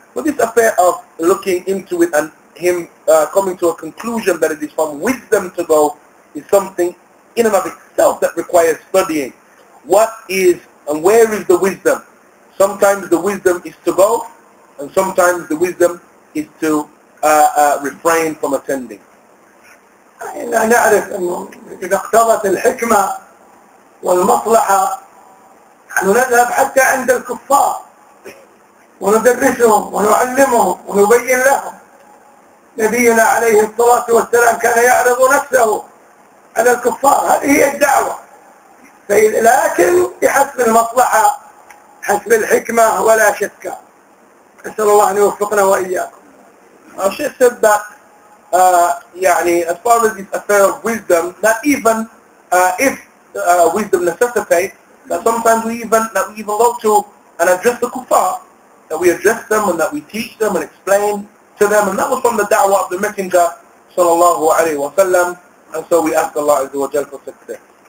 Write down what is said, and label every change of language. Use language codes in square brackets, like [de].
[en] But this affair of looking into it and him coming to a conclusion that it is from wisdom to go is something in and of itself that requires studying. What is and where is the wisdom? Sometimes the wisdom is to go, and sometimes the wisdom is to refrain from attending. [ar] إحنا نعرف أنه إذا اقتضت الحكمة والمصلحة نحن نذهب حتى عند الكفار وندرسهم ونعلمهم ونبين لهم. نبينا عليه الصلاة والسلام كان يعرض نفسه على الكفار، هذه هي الدعوة. لكن بحسب المصلحة، حسب الحكمة، ولا شك. أسأل الله أن يوفقنا وإياكم. [en] Our Shaykh said that, as far as this affair of wisdom, that even if wisdom necessitates, that sometimes we even go to and address the kuffar, that we address them and that we teach them and explain to them, and that was from the da'wah of the Messenger, sallallahu alayhi wa sallam, and so we ask Allah Azza wa Jalla for success.